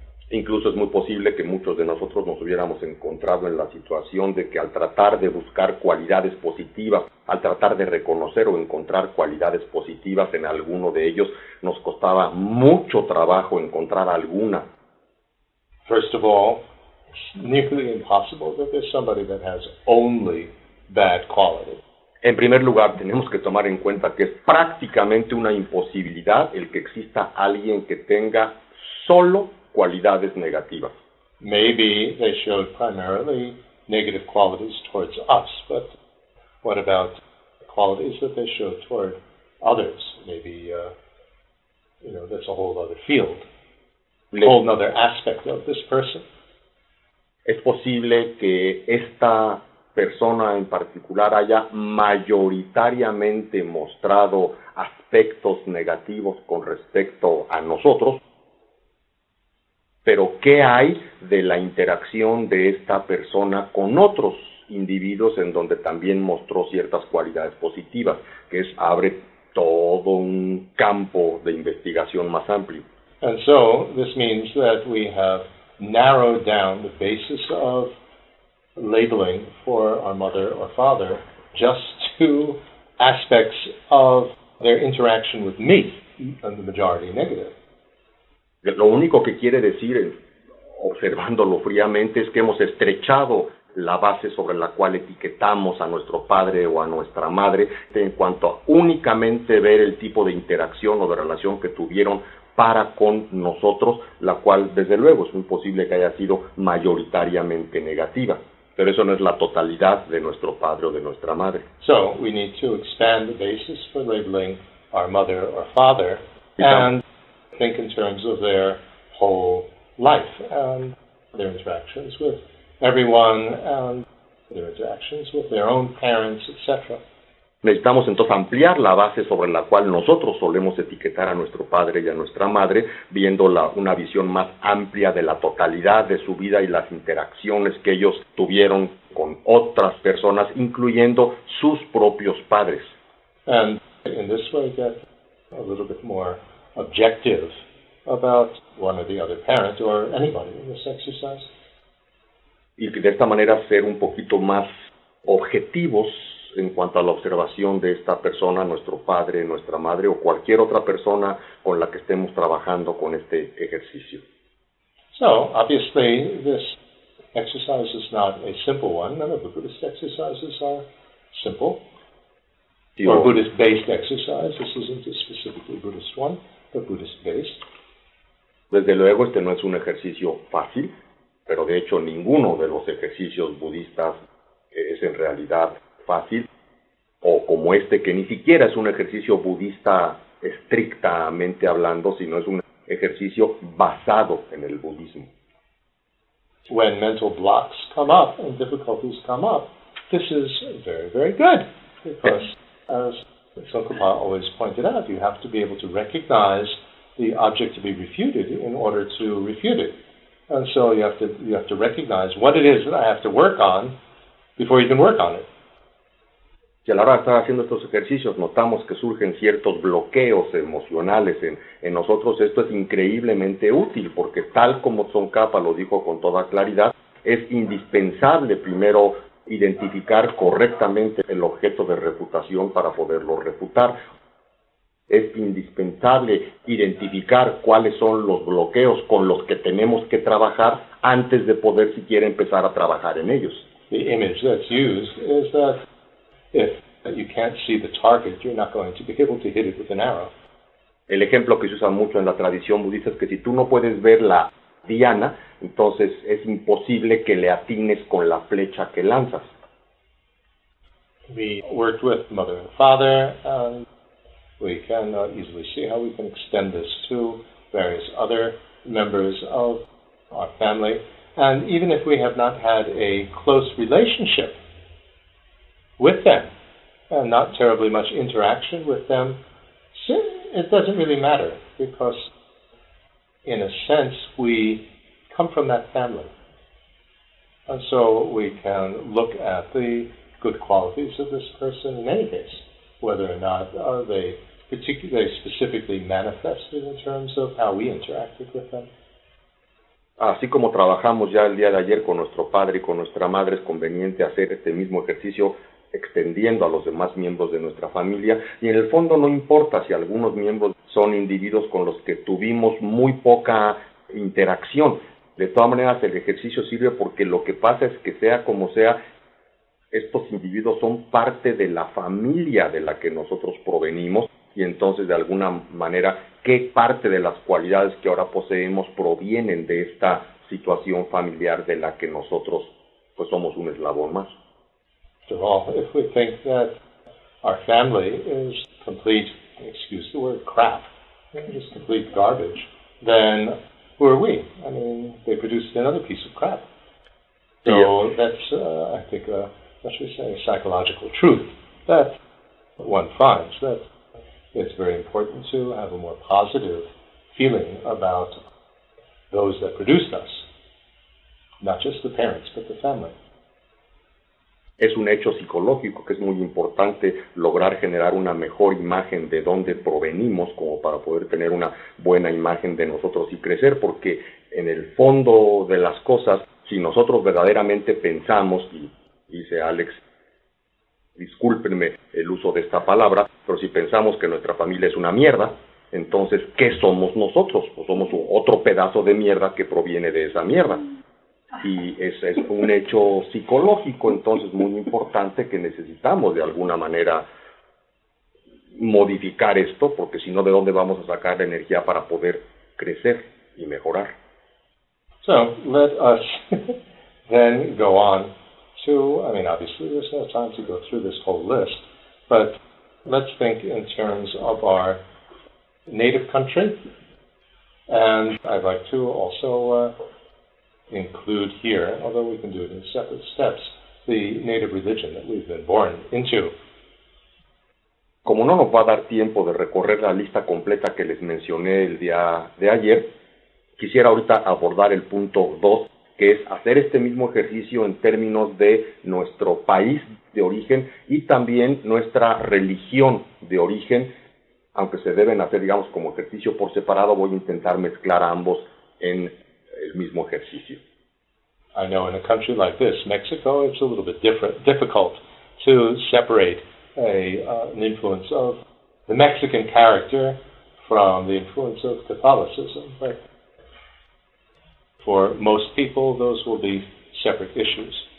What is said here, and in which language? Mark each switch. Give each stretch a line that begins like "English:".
Spanish: Incluso es muy posible que muchos de nosotros nos hubiéramos encontrado en la situación de que al tratar de buscar cualidades positivas, al tratar de reconocer o encontrar cualidades positivas en alguno de ellos, nos costaba mucho trabajo encontrar alguna.
English: First of all, it's nearly impossible that there's somebody that has only bad qualities.
Spanish: En primer lugar, tenemos que tomar en cuenta que es prácticamente una imposibilidad el que exista alguien que tenga solo cualidades negativas.
English: Maybe they showed primarily negative qualities towards us, but what about qualities that they showed toward others? Maybe, you know, that's a whole other field, a whole other aspect of this person.
Spanish: Es posible que esta persona en particular haya mayoritariamente mostrado aspectos negativos con respecto a nosotros, pero ¿qué hay de la interacción de esta persona con otros individuos en donde también mostró ciertas cualidades positivas? Que es, abre todo un campo de investigación más amplio.
English: And so, this means that we have narrowed down the basis of labeling for our mother or father just to aspects of their interaction with me, and the majority negative.
Spanish: Lo único que quiere decir, observándolo fríamente, es que hemos estrechado la base sobre la cual etiquetamos a nuestro padre o a nuestra madre en cuanto a únicamente ver el tipo de interacción o de relación que tuvieron para con nosotros, la cual, desde luego, es muy posible que haya sido mayoritariamente negativa. Pero eso no es la totalidad de nuestro padre o de nuestra madre.
English: So, we need to expand the basis for labeling our mother or father and think in terms of their whole life and their interactions with everyone and their interactions with their own parents, etc.
Spanish: Necesitamos entonces ampliar la base sobre la cual nosotros solemos etiquetar a nuestro padre y a nuestra madre, viendo una visión más amplia de la totalidad de su vida y las interacciones que ellos tuvieron con otras personas, incluyendo sus propios padres.
English: And in this way get a little bit more objective about one or the other parent or anybody in this exercise.
Spanish: Y de esta manera ser un poquito más objetivos en cuanto a la observación de esta persona, nuestro padre, nuestra madre, o cualquier otra persona con la que estemos trabajando con este ejercicio.
English: So, obviously, this exercise is not a simple one. None of the Buddhist exercises are simple. Or Buddhist-based exercise. This isn't a specifically Buddhist one, but Buddhist-based.
Spanish: Desde luego, este no es un ejercicio fácil, pero de hecho, ninguno de los ejercicios budistas es en realidad fácil, o como este, que ni siquiera es un ejercicio budista estrictamente hablando, sino es un ejercicio basado en el budismo.
English: When mental blocks come up and difficulties come up, this is very, very good. Because, as Tsongkhapa always pointed out, you have to be able to recognize the object to be refuted in order to refute it. And so you have to recognize what it is that I have to work on before you can work on it.
Spanish: Si a la hora de estar haciendo estos ejercicios notamos que surgen ciertos bloqueos emocionales en nosotros, esto es increíblemente útil, porque tal como Tsongkhapa lo dijo con toda claridad, es indispensable primero identificar correctamente el objeto de refutación para poderlo refutar. Es indispensable identificar cuáles son los bloqueos con los que tenemos que trabajar antes de poder siquiera empezar a trabajar en ellos.
English: The image that's used is that if you can't see the target, you're not going to be able to hit it with an arrow.
Spanish: El ejemplo que se usa mucho en la tradición budista es que si tú no puedes ver la diana, entonces es imposible que le atines con la flecha que lanzas.
English: We worked with mother and father, and we can easily see how we can extend this to various other members of our family. And even if we have not had a close relationship with them, and not terribly much interaction with them, it doesn't really matter, because in a sense we come from that family. And so we can look at the good qualities of this person in any case, whether or not they specifically manifested in terms of how we interacted with them.
Spanish: Así como trabajamos ya el día de ayer con nuestro padre y con nuestra madre, es conveniente hacer este mismo ejercicio extendiendo a los demás miembros de nuestra familia. Y en el fondo no importa si algunos miembros son individuos con los que tuvimos muy poca interacción. De todas maneras, el ejercicio sirve porque lo que pasa es que sea como sea, estos individuos son parte de la familia de la que nosotros provenimos. Y entonces, de alguna manera, ¿qué parte de las cualidades que ahora poseemos provienen de esta situación familiar de la que nosotros, pues, somos un eslabón más?
English: After all, if we think that our family is complete, excuse the word, crap, is complete garbage, then who are we? I mean, they produced another piece of crap. So that's, I think, what should we say, a psychological truth that one finds that it's very important to have a more positive feeling about those that produced us, not just the parents, but the family.
Spanish: Es un hecho psicológico que es muy importante lograr generar una mejor imagen de dónde provenimos como para poder tener una buena imagen de nosotros y crecer, porque en el fondo de las cosas, si nosotros verdaderamente pensamos, y dice Alex, discúlpenme el uso de esta palabra, pero si pensamos que nuestra familia es una mierda, entonces, ¿qué somos nosotros? Pues somos otro pedazo de mierda que proviene de esa mierda. Y es un hecho psicológico, entonces, muy importante que necesitamos de alguna manera modificar esto, porque si no, ¿de dónde vamos a sacar la energía para poder crecer y mejorar?
English: So, let us then go on to, I mean, obviously there's no time to go through this whole list, but let's think in terms of our native country, and I'd like to also include here, although we can do it in separate steps, the native religion that we've been born into.
Spanish: Como no nos va a dar tiempo de recorrer la lista completa que les mencioné el día de ayer, quisiera ahorita abordar el punto 2, que es hacer este mismo ejercicio en términos de nuestro país de origen y también nuestra religión de origen. Aunque se deben hacer, digamos, como ejercicio por separado, voy a intentar mezclar ambos en el mismo ejercicio.
English: I know in a country like this, Mexico, it's a little bit difficult to separate an influence of the Mexican character from the influence of Catholicism, but for most people, those will be separate issues.